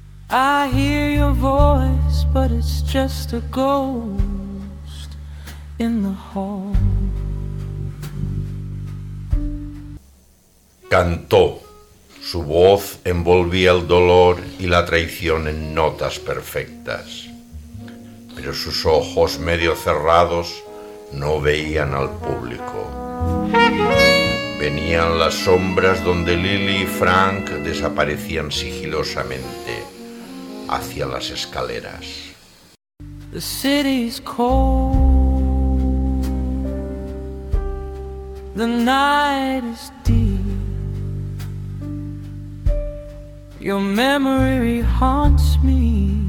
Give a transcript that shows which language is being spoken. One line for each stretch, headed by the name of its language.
English: I hear your voice, but it's just a ghost in the hall.
Spanish: Cantó. Su voz envolvía el dolor y la traición en notas perfectas. Pero sus ojos medio cerrados no veían al público. Venían las sombras donde Lily y Frank desaparecían sigilosamente hacia las escaleras.
English: The city's cold, the night is deep, your memory haunts me.